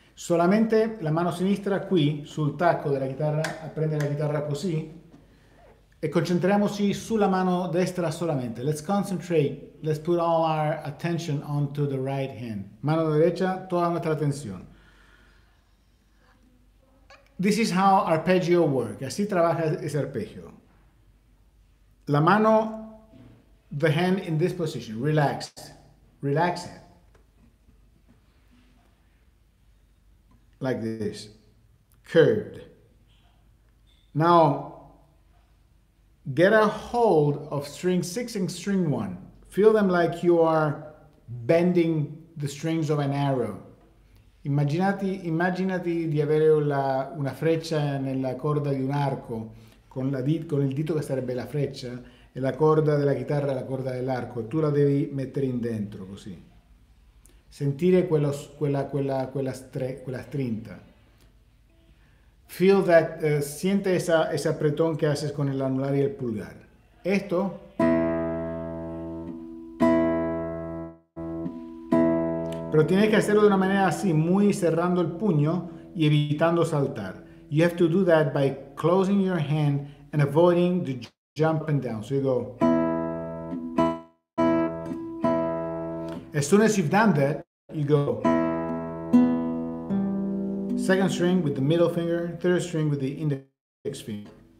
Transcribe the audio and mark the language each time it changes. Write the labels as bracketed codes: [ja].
[it] Solamente la mano sinistra qui, sul tacco della chitarra, a prendere la chitarra così, e concentriamoci sulla mano destra solamente. [en] Let's concentrate, let's put all our attention onto the right hand. [es] Mano derecha, [it] tutta la nostra attenzione. [en] This is how arpeggio works, [es] así trabaja ese arpeggio. [en] La mano, the hand in this position, relaxed. Relax it. Like this. Curved. Now, get a hold of string 6 and string 1. Feel them like you are bending the strings of an arrow. [it] Immaginati di avere una freccia nella corda di un arco, con il dito che sarebbe la freccia. E la corda della chitarra è la corda dell'arco, tu la devi mettere in dentro così. Sentire quella strinta. [en] Feel that, [es] siente ese apretón che haces con el anular y el pulgar. Esto. Pero tienes que hacerlo de una manera así, muy cerrando el puño y evitando saltar. [en] You have to do that by closing your hand and avoiding the jump and down. So you go. As soon as you've done that, you go. second string with the middle finger, third string with the index finger.